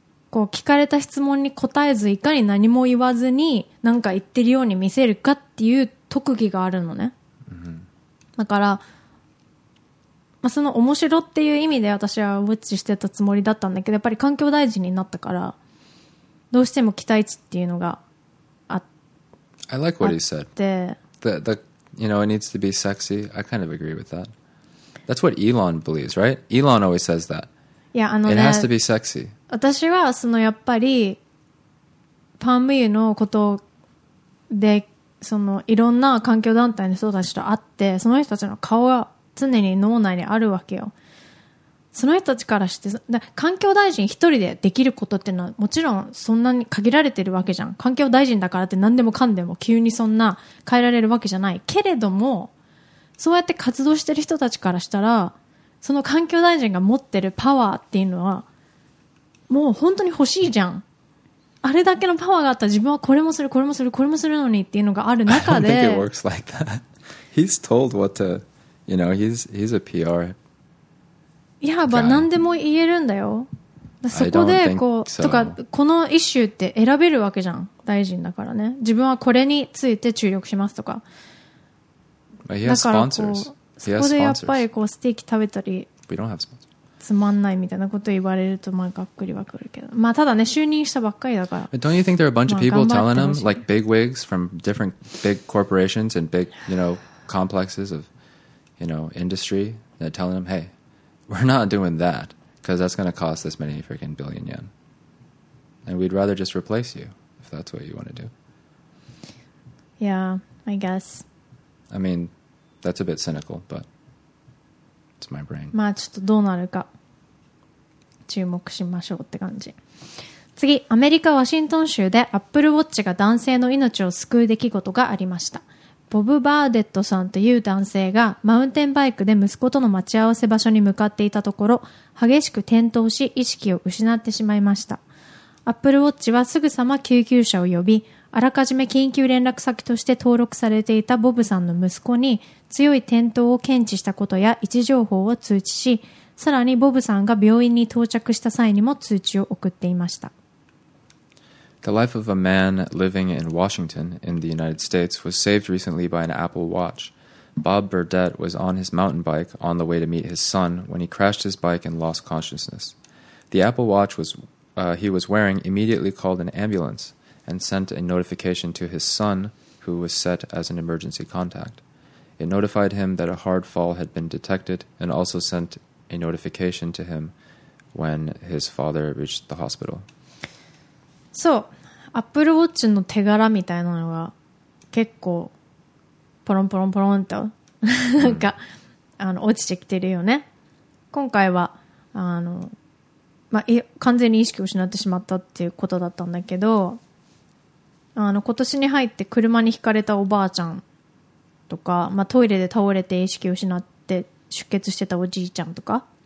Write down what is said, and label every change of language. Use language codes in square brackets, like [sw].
[ja] こう聞かれた質問に答えず、いかに何も言わずに、なんか言ってるように見せるかっていう特技があるのね。 Mm-hmm. だから、まあ、その面白っていう意味で私はウォッチしてたつもりだったんだけどやっぱり環境大臣になったからどうしても期待値っていうのがあって [en] I like what he said the, you know, it needs to be sexy. I kind of agree with that. That's what Elon believes, right? Elon always says that. [ja] いや、ね、 [en] It has to be sexy. [ja] 私はそのやっぱりパンムユのことでそのいろんな環境団体の人たちと会ってその人たちの顔が常に脳内にあるわけよその人たちからしてで環境大臣一人でできることっていうのはもちろんそんなに限られてるわけじゃん環境大臣だからって何でもかんでも急にそんな変えられるわけじゃないけれどもそうやって活動してる人たちからしたらその環境大臣が持ってるパワーっていうのはもう本当に欲しいじゃんあれだけのパワーがあったら自分はこれもするこれもするこれもするのにっていうのがある中で [en] I don't think it works like that He's told what toYou know, he's a PR guy. Yeah, but [ja] 何でも言えるんだよ。そこでこうとかこのイシューって選べるわけじゃん。大臣だからね。自分はこれについて注力しますとか。 [en] But he has sponsors. [ja] そこでやっぱりこうステーキ食べたり。 [en] We don't have sponsors. [ja] つまんないみたいなこと言われるとまあがっくりはくるけど。まあただね就任したばっかりだから。 [en] But don't you think there are a bunch of people telling him like big wigs from different big corporations and big you know complexes of You know, industry that telling them, "Hey, we're not doing that because that's going to cost this many freaking billion yen, and we'd rather just replace you if that's what you want to do." Yeah, I guess. I mean, that's a bit cynical, but it's my brain. [ja] まあちょっとどうなるか注目しましょうって感じ。次、アメリカワシントン州でアップルウォッチが男性の命を救う出来事がありました。ボブ・バーデットさんという男性がマウンテンバイクで息子との待ち合わせ場所に向かっていたところ激しく転倒し意識を失ってしまいましたアップルウォッチはすぐさま救急車を呼びあらかじめ緊急連絡先として登録されていたボブさんの息子に強い転倒を検知したことや位置情報を通知しさらにボブさんが病院に到着した際にも通知を送っていました [en] The life of a man living in Washington in the United States was saved recently by an Apple Watch. Bob Burdett was on his mountain bike on the way to meet his son when he crashed his bike and lost consciousness. The Apple Watch he was wearing immediately called an ambulance and sent a notification to his son, who was set as an emergency contact. It notified him that a hard fall had been detected and also sent a notification to him when his father reached the hospital. [ja] そうアップルウォッチの手柄みたいなのが結構ポロンポロンポロンとなんか、うん、あの落ちてきてるよね。今回はあの、まあ、完全に意識を失ってしまったっていうことだったんだけど、あの今年に入って車にひかれたおばあちゃんとか、まあ、トイレで倒れて意識を失って出血してたおじいちゃんとか、